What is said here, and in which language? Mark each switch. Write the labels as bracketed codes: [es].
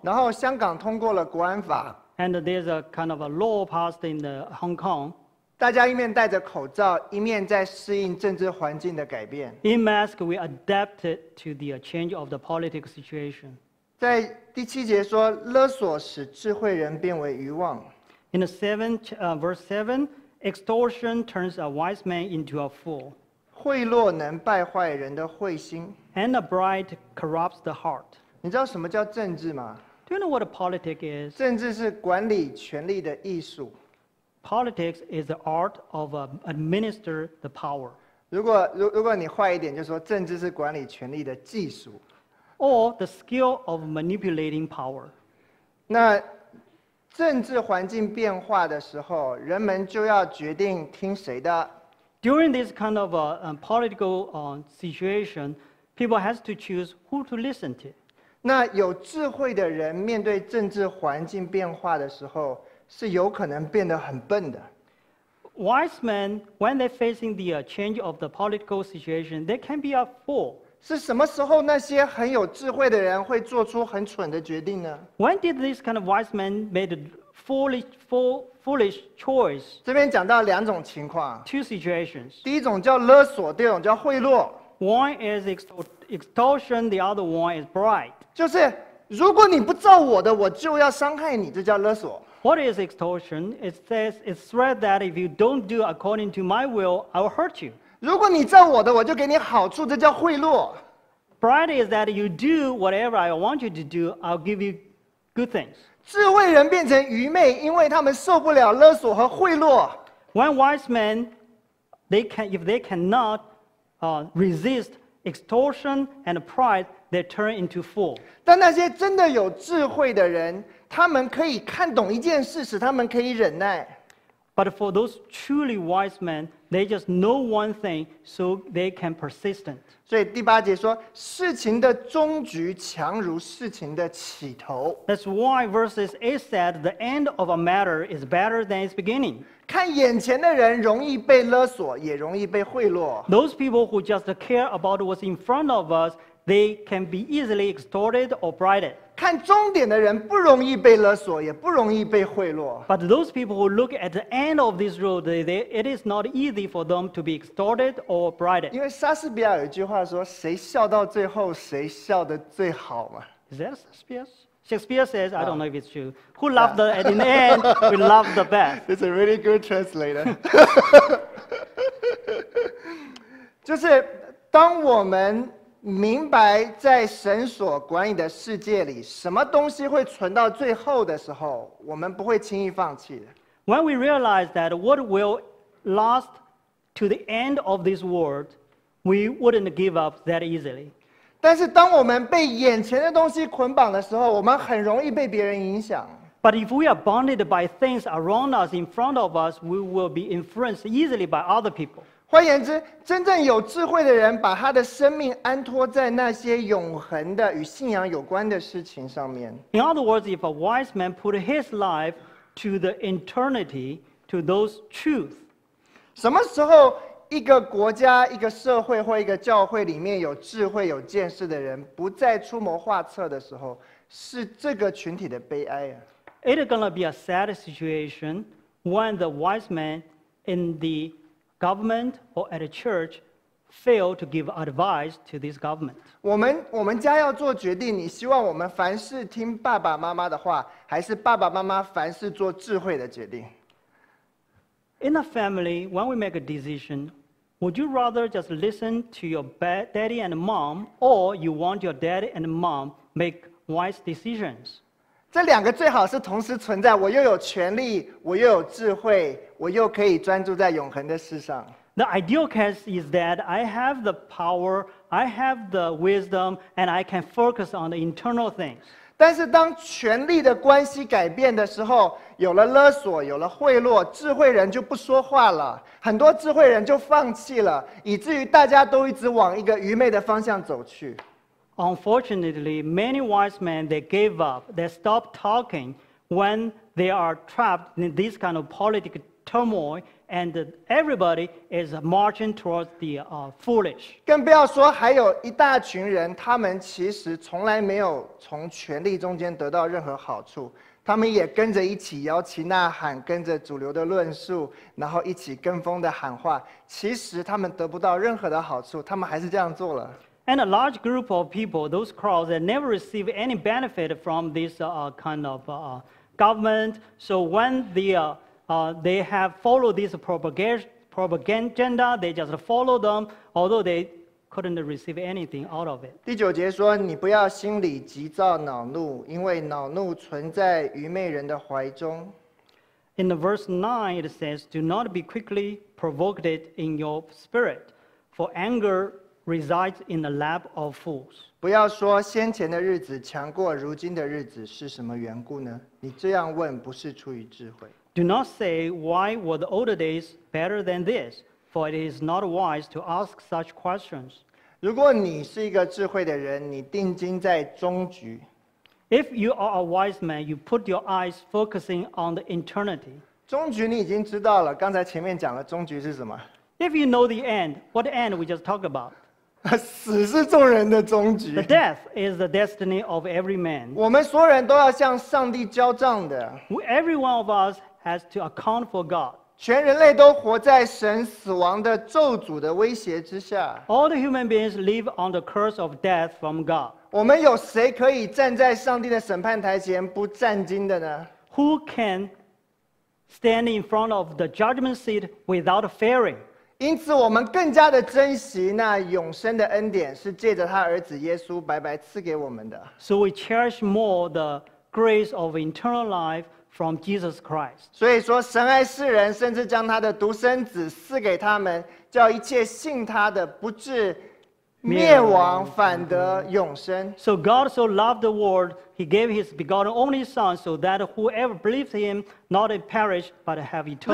[zh] 然后香港通过了国安法。 [en] And there's a kind of a law passed in the Hong Kong. [zh] 大家一面戴着口罩，一面在适应政治环境的改变。 [en] In mask, we adapted to the change of the political situation. [zh] 在第七节说，勒索使智慧人变为愚妄。 [en] In the verse 7, extortion turns a wise man into a fool. [zh] 贿赂能败坏人的慧心。 [en] And a bribe corrupts the heart. [zh] 你知道什么叫政治吗？ [en] Do you know what a politics is? [zh] 政治是管理权力的艺术。 [en] Politics is the art of administer the power. [zh] 如果你坏一点，就说政治是管理权力的技术。 [en] Or the skill of manipulating power. [zh] 那政治环境变化的时候，人们就要决定听谁的。 [en] During this kind of a political situation, people has to choose who to listen to. [zh] 那有智慧的人面对政治环境变化的时候，是有可能变得很笨的。 [en] Wise men, when they're facing the change of the political situation, they can be a fool. [zh] 是什么时候那些很有智慧的人会做出很蠢的决定呢 [en] ？When did this kind of wise man made a foolish choice？ [zh] 这边讲到两种情况 [en] ，two situations。 [zh] 第一种叫勒索，第二种叫贿赂。 [en] One is extortion, the other one is bribe。 [zh] 就是如果你不照我的，我就要伤害你，这叫勒索。 [en] What is extortion? It says it's threat that if you don't do according to my will, I will hurt you. [zh] 如果你照我的，我就给你好处，这叫贿赂。 [en] Bribe is that you do whatever I want you to do, I'll give you good things. [zh] 智慧人变成愚昧，因为他们受不了勒索和贿赂。 [en] When wise men, if they cannot resist extortion and pride, they turn into fool. [zh] 但那些真的有智慧的人，他们可以看懂一件事，使他们可以忍耐。 [en] But for those truly wise men, they just know one thing, so they can persistent. [zh] 所以第八节说，事情的终局强如事情的起头。 [en] That's why verses 8 said the end of a matter is better than its beginning. [zh] 看眼前的人容易被勒索，也容易被贿赂。 [en] Those people who just care about what's in front of us, they can be easily extorted or bribed. [zh] 看终点的人不容易被勒索，也不容易被贿赂。 [en] But those people who look at the end of this road, it is not easy for them to be extorted or bribed. [zh] 因为莎士比亚有一句话说：“谁笑到最后，谁笑得最好嘛。” [en] Is that Shakespeare says, I don't know if it's true. Who loved the at the end, we love the best. It's a really good translator. [zh] 就是当我们明白在神所管理的世界里，什么东西会存到最后的时候，我们不会轻易放弃的。 [en] When we realize that what will last to the end of this world, we wouldn't give up that easily. [zh] 但是当我们被眼前的东西捆绑的时候，我们很容易被别人影响。 [en] But if we are bounded by things around us in front of us, we will be influenced easily by other people. [zh] 换言之，真正有智慧的人把他的生命安托在那些永恒的与信仰有关的事情上面。 [en] In other words, if a wise man put his life to the eternity, to those truths. [zh] 什么时候一个国家、一个社会或一个教会里面有智慧、有见识的人不再出谋划策的时候，是这个群体的悲哀啊。 [en] It's going to be a sad situation when the wise men in the government or at a church fail to give advice to this government. [zh] 我们家要做决定，你希望我们凡事听爸爸妈妈的话，还是爸爸妈妈凡事做智慧的决定？ [en] In a family, when we make a decision, would you rather just listen to your daddy and mom, or you want your daddy and mom make wise decisions? [zh] 这两个最好是同时存在，我又有权力，我又有智慧，我又可以专注在永恒的事上。 [en] The ideal case is that I have the power, I have the wisdom, and I can focus on the internal things. [zh] 但是当权力的关系改变的时候，有了勒索，有了贿赂，智慧人就不说话了，很多智慧人就放弃了，以至于大家都一直往一个愚昧的方向走去。 [en] Unfortunately, many wise men, they gave up, they stopped talking when they are trapped in this kind of political turmoil and everybody is marching towards the foolish. [zh] 更不要说还有一大群人，他们其实从来没有从权力中间得到任何好处，他们也跟着一起摇旗呐喊，跟着主流的论述，然后一起跟风的喊话，其实他们得不到任何的好处，他们还是这样做了。 [en] And a large group of people, those crowds, they never receive any benefit from this kind of government. So when they have followed this propaganda, they just follow them, although they couldn't receive anything out of it. [zh] 第九节说，你不要心里急躁恼怒，因为恼怒存在愚昧人的怀中。 [en] In verse 9, it says, do not be quickly provoked in your spirit, for angerresides in the lap of fools. [zh] 不要说先前的日子强过如今的日子是什么缘故呢？你这样问不是出于智慧。 [en] Do not say why were the older days better than this, for it is not wise to ask such questions. [zh] 如果你是一个智慧的人，你定睛在终局。 [en] If you are a wise man, you put your eyes focusing on the eternity. [zh] 终局你已经知道了，刚才前面讲了终局是什么。 [en] If you know the end, what end we just talked about? [zh] 死是众人的终局。 [en] The death is the destiny of every man. [zh] 我们所有人都要向上帝交账的。 [en] Every one of us has to account for God. [zh] 全人类都活在神死亡的咒诅的威胁之下。 [en] All the human beings live on the curse of death from God. [zh] 我们有谁可以站在上帝的审判台前不战惊的呢？ [en] Who can stand in front of the judgment seat without fearing? [zh] 因此我们更加的珍惜那永生的恩典，是借着他儿子耶稣白白赐给我们的。 [en] So we cherish more the grace of eternal life from Jesus Christ. [zh] 所以说神爱世人，甚至将他的独生子赐给他们，叫一切信他的不至灭亡，反得永生。 [en] So God so loved the world, he gave his begotten only son, so that whoever believes him not perish, but have eternal life.